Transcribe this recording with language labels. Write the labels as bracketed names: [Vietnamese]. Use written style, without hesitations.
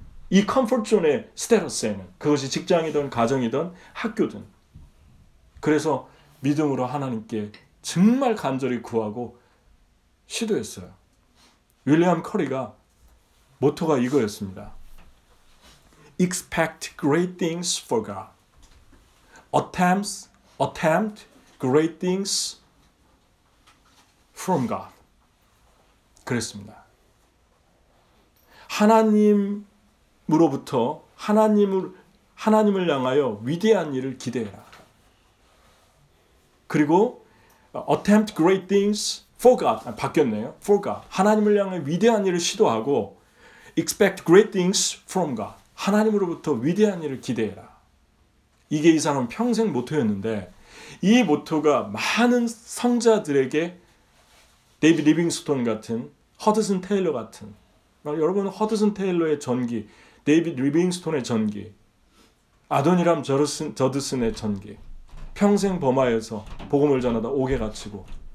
[Korean] 이 comfort zone의 status에는 그것이 직장이든 가정이든 학교든. 그래서 믿음으로 하나님께 정말 간절히 구하고 시도했어요. 윌리엄 커리가 모토가 이거였습니다. [English] Expect great things for God. Attempt great things from God. [Korean] 그랬습니다. 하나님으로부터 하나님을 향하여 위대한 일을 기대해라. 그리고 attempt great things for God. 아, 바뀌었네요. For God. 하나님을 향해 위대한 일을 시도하고 expect great things from God. 하나님으로부터 위대한 일을 기대해라. 이게 이 사람은 평생 모토였는데 이 모토가 많은 성자들에게 데이비드 리빙스톤 같은 허드슨 테일러 같은 여러분 허드슨 테일러의 전기 데이비드 리빙스톤의 전기 아도니람 저드슨의 전기 평생 범하여서 복음을 전하다 옥에 갇히고